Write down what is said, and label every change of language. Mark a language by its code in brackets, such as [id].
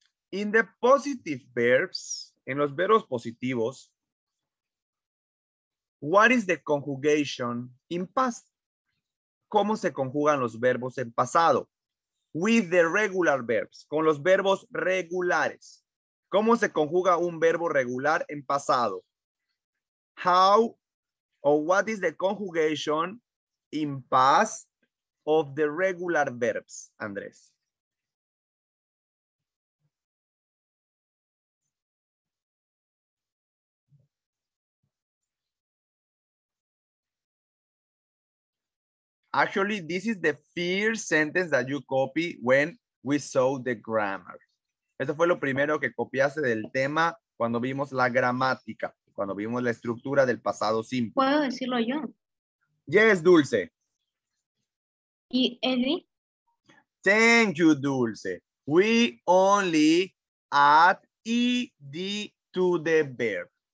[en] In the positive verbs, [es] en los verbos positivos, [en] what is the conjugation in past? [es] ¿Cómo se conjugan los verbos en pasado? [en] With the regular verbs, [es] con los verbos regulares. ¿Cómo se conjuga un verbo regular en pasado? [en] How or what is the conjugation in past of the regular verbs, Andrés? Actually, this is the first sentence that you copy when we saw the grammar. [es] Eso fue lo primero que copiaste del tema cuando vimos la gramática, cuando vimos la estructura del pasado simple. ¿Puedo decirlo yo? [en] Yes, Dulce. [es] ¿Y Edwin? [en] Thank you, Dulce. We only add ed to the verb.